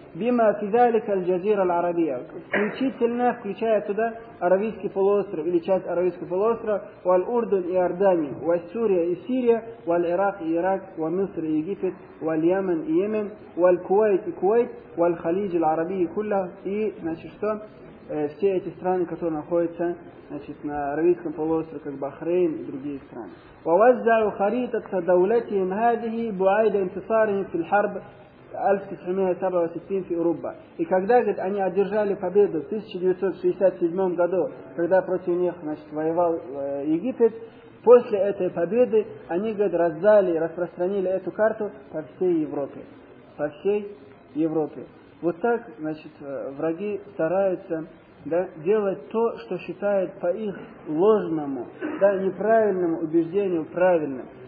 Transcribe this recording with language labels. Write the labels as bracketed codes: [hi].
[ar] Бима фидалик аль-джазира аль-арабия. [ru] Включительно включая туда Аравийский полуостров или часть Аравийского полуострова, [ar] валь-Урдун [ru] и Иорданию, [ar] валь-Сурия [ru] и Сирия, [ar] валь-Ирак [ru] и Ирак, [ar] валь-Миср [ru] и Египет, [ar] валь-Ямен [ru] и Йемен, [ar] валь-Куайт [ru] и Куайт, [ar] валь-Халидж аль-арабия кулла, [ru] и, значит, что? Все эти страны, которые находятся, значит, на Аравийском полуострове, как Бахрейн и другие страны. [ar] ووزعوا خريطة دولتهم هذه بعيد انتصارهم في الحرب 1967 في أوروبا. [ru] И когда, говорит, они одержали победу в 1967 году, когда против них, значит, воевал Египет, после этой победы они, говорит, раздали, распространили эту карту по всей Европе. По всей Европе. Вот так, значит, враги стараются, да, делать то, что считают по их ложному, да, неправильному убеждению правильным.